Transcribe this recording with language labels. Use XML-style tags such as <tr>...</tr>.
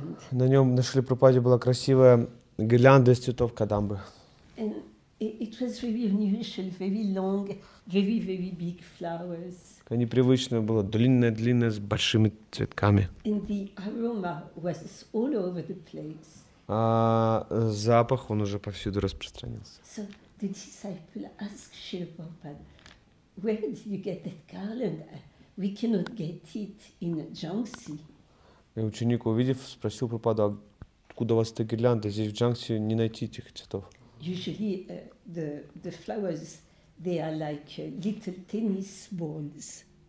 <ru>На нем нашли Прабхупаде была красивая гирлянда из цветов кадамбы.</ru> <en>It was very unusual, very long, very, very big flowers.</en> <ru>Непривычно было, длинное с большими цветками.</ru> <en>And the aroma was all over the place.</en> <ru>А запах он уже повсюду распространился.</ru> <en>So the disciple asked Srila Prabhupada, "Where did you get that garland? We cannot get it in Jhansi."</en> <ru>И ученик, увидев, спросил Прабхупаду, откуда у вас эта гирлянда? Здесь в Джанксе не найти этих цветов.</ru> <en>Usually the flowers, they are like little tennis balls.</en>